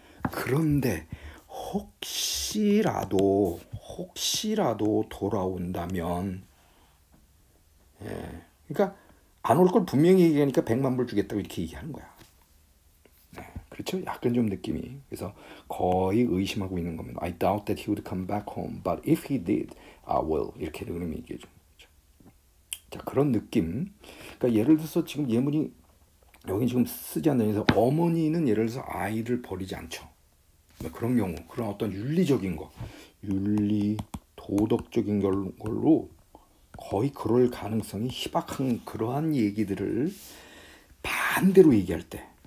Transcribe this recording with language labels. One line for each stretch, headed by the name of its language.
Korean: 그런데 혹시라도 돌아온다면 예. 그러니까 안올걸 분명히 얘기하니까 100만 불 주겠다고 이렇게 얘기하는 거야. 네, 그렇죠? 약간 좀 느낌이. 그래서 거의 의심하고 있는 겁니다.
English: I doubt that he would come back home, but if he did, I will.
Korean: 이렇게 되는 얘기죠. 자, 그런 느낌. 그러니까 예를 들어서 지금 예문이 여기 지금 쓰지 않는 데서 어머니는 예를 들어서 아이를 버리지 않죠. 그런 경우, 그런 어떤 윤리적인 거, 윤리, 도덕적인 걸로 거의 그럴 가능성이 희박한 그러한 얘기들을 반대로 얘기할 때,